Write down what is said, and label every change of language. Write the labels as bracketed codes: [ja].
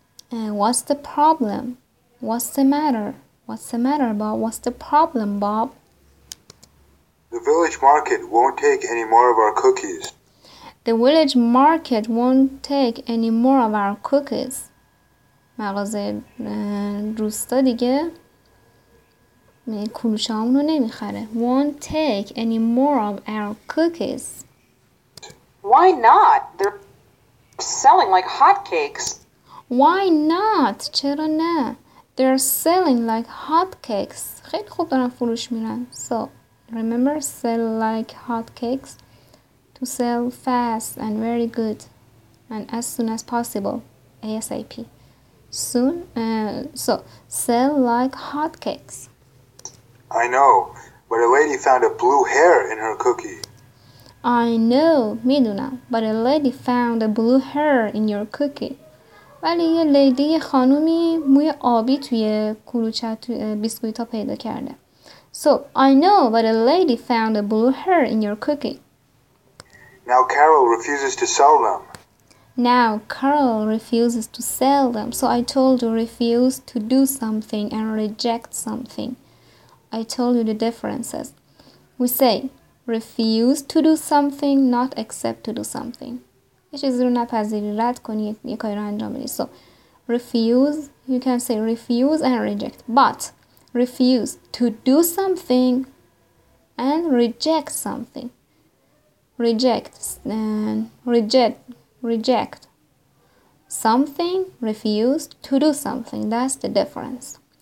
[en] What's the problem? What's the matter? What's the matter, Bob? What's the problem, Bob? The village market won't take any more of our cookies. The village market won't take any more of our cookies. [fa] مغازه روستا دیگه کلوچه‌هامونو نمیخره. [en] Won't take any more of our cookies. Why not? They're selling like hotcakes. Why not? [fa] چرا نه? [en] They're selling like hotcakes. [fa] خیلی خوب دارن فروش میرن. [en] So, remember sell like hotcakes. To sell fast and very good. And as soon as possible. ASAP. Soon. So, sell like hotcakes. I know, but a lady found a blue hair in her cookie. I know, [fa] میدونم, [en] but a lady found a blue hair in your cookie. [fa] ولی یه لیدی خانومی موی آبی توی کلوچه توی بیسکویتا پیدا کرده. [en] So, I know, but a lady found a blue hair in your cookie. Now Carol refuses to sell them. Now Carol refuses to sell them. So I told you refuse to do something and reject something. I told you the differences. We say, refuse to do something, not accept to do something. [fa] یه چیزی رو نپذیری، رد کنی، یه کاری رو انجام بدی. [en] So, refuse, you can say refuse and reject. But, refuse to do something and reject something. Reject, something refused to do something. That's the difference.